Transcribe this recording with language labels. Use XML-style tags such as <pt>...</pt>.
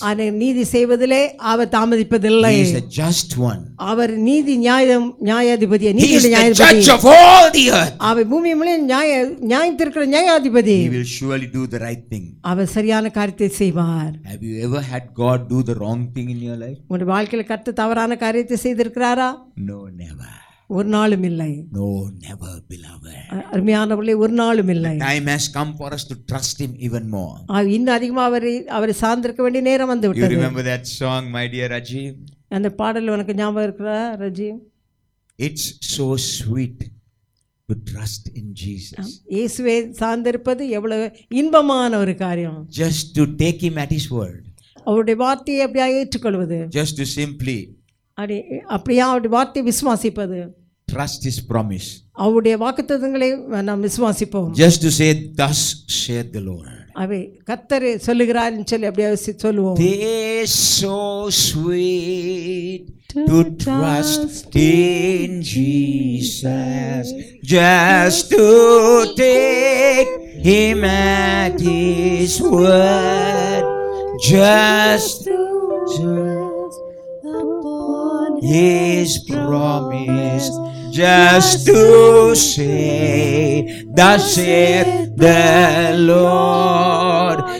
<ta>அவர் நீதி செய்வதிலே அவர் தாமதிப்பதில்லை.</ta> <en>He is a just one.</en> <ta>அவர் நீதி நியாயாதிபதி.</ta> <en>He is the judge of all the earth.</en> <ta>அவர் பூமி முழுவதும் நியாயந்தீர்க்கிற நியாயாதிபதி.</ta> <en>He will surely do the right thing.</en> <ta>அவர் சரியான காரியத்தை செய்வார்.</ta> <en>Have you ever had God do the wrong thing in your life?</en> <ta>உங்க வாழ்க்கையில கர்த்தர் தவறான காரியத்தை செய்திருக்கிறாரா?</ta> <en>No, never.</en> <ta>ஒரு நாளும் இல்லை.</ta> <en>No, never, beloved.</en> <ta>அருமையானவர்களே, ஒரு நாளும் இல்லை.</ta> <en>The time has come for us to trust him even more.</en> <ta>இன்னும் அதிகமா அவரை சார்ந்திருக்க வேண்டிய நேரம் வந்து விட்டது.</ta> <en>You remember that song, my dear Rajiv?</en> <ta>அந்த பாடல் உனக்கு ஞாபகம் இருக்கா Rajeev?</ta> <en>It's so sweet to trust in Jesus.</en> <ta>இயேசுவை சார்ந்திருப்பது எவ்வளவு இன்பமான ஒரு காரியம்.</ta> <en>Just to take him at his word.</en> <ta>அவருடைய வார்த்தையை அப்படியே ஏற்றுக்கொள்வது.</ta> <en>Just to simply.</en> <ta>அப்படியே அவருடைய வார்த்தையை விசுவாசிப்பது.</ta> <en>Trust his promise.</en> <ta>அவருடைய வாக்குத்தத்தங்களை நாம் விசுவாசிப்போம்.</ta> <en>Just to say, thus saith the Lord.</en> <ta>அவே கர்த்தர் சொல்லுகிறார் என்று சொல்லி அப்படியே சொல்லுவோம்.</ta> <en>He is so sweet to trust in Jesus. Just to take him at his word. Just upon his promise, just to say, thus saith the Lord.</en>